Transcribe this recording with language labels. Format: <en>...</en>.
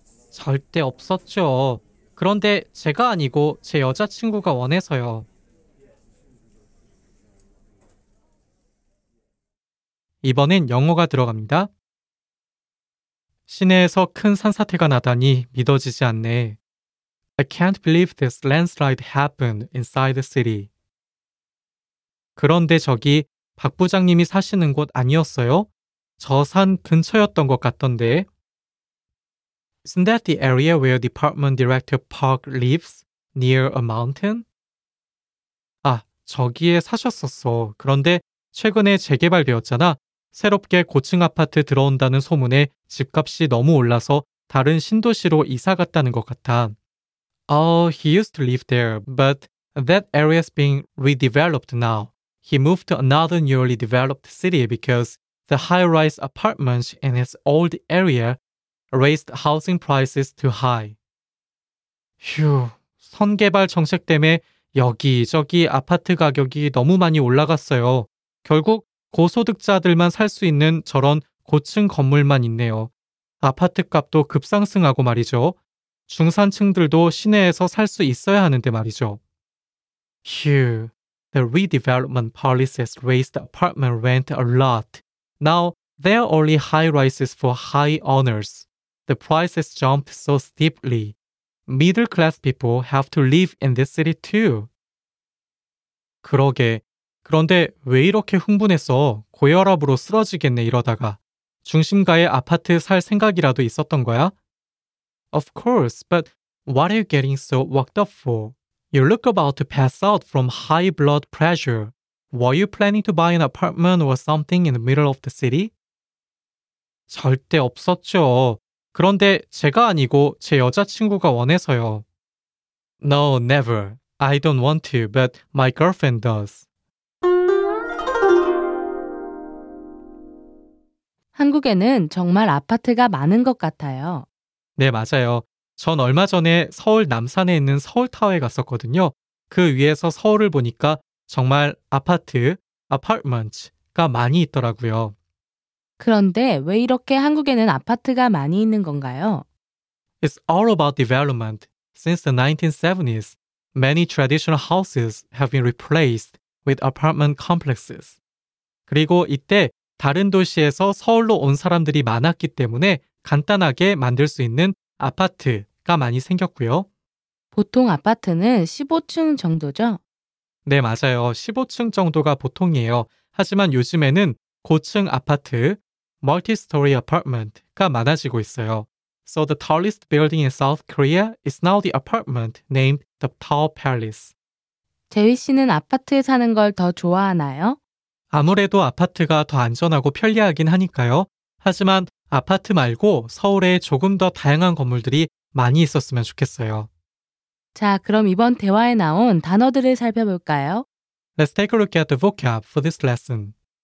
<ko>절대 없었죠. 그런데 제가 아니고 제 여자친구가 원해서요. 이번엔 영어가 들어갑니다. 시내에서 큰 산사태가 나다니 믿어지지 않네.</ko> <en>I can't believe this landslide happened inside the city.</en> <ko>그런데 저기 박 부장님이 사시는 곳 아니었어요? 저 산 근처였던 것 같던데.</ko> <en>Isn't that the area where Department Director Park lives, near a mountain?</en> <ko>아, 저기에 사셨었어. 그런데 최근에 재개발되었잖아. 새롭게 고층 아파트 들어온다는 소문에 집값이 너무 올라서 다른 신도시로 이사 갔다는 것 같아.</ko> <en>He used to live there, but that area is being redeveloped now. He moved to another newly developed city because the high-rise apartments in his old area raised housing prices too high.</en> <ko>휴, 선개발 정책 때문에 여기저기 아파트 가격이 너무 많이 올라갔어요. 결국 고소득자들만 살 수 있는 저런 고층 건물만 있네요. 아파트 값도 급상승하고 말이죠. 중산층들도 시내에서 살 수 있어야 하는데 말이죠.</ko> <en>휴, the redevelopment policies raised apartment rent a lot. Now, there are only high rises for high owners. The prices jumped so steeply. Middle class people have to live in this city too.</en> <ko>그러게. 그런데 왜 이렇게 흥분했어? 고혈압으로 쓰러지겠네 이러다가. 중심가에 아파트 살 생각이라도 있었던 거야?</ko> <en>Of course, but what are you getting so worked up for? You look about to pass out from high blood pressure. Were you planning to buy an apartment or something in the middle of the city?</en> <ko>절대 없었죠. 그런데 제가 아니고 제 여자친구가 원해서요.</ko> <en>No, never. I don't want to, but my girlfriend does.</en> <ko>한국에는 정말 아파트가 많은 것 같아요. 네, 맞아요. 전 얼마 전에 서울 남산에 있는 서울타워에 갔었거든요. 그 위에서 서울을 보니까 정말 아파트, apartments가 많이 있더라고요. 그런데 왜 이렇게 한국에는 아파트가 많이 있는 건가요?</ko> <en>It's all about development. Since the 1970s, many traditional houses have been replaced with apartment complexes.</en> <ko>그리고 이때 다른 도시에서 서울로 온 사람들이 많았기 때문에 간단하게 만들 수 있는 아파트가 많이 생겼고요. 보통 아파트는 15층 정도죠? 네, 맞아요. 15층 정도가 보통이에요. 하지만 요즘에는 고층 아파트,</ko> <en>multi-story apartment</en> <ko>가 많아지고 있어요.</ko> <en>So the tallest building in South Korea is now the apartment named the Tall Palace.</en> <ko>제휘 씨는 아파트에 사는 걸 더 좋아하나요? 아무래도 아파트가 더 안전하고 편리하긴 하니까요. 하지만 아파트 말고 서울에 조금 더 다양한 건물들이 많이 있었으면 좋겠어요. 자, 그럼 이번 대화에 나온 단어들을 살펴볼까요?</ko> <en>Let's take a look at the vocab for this lesson.</en>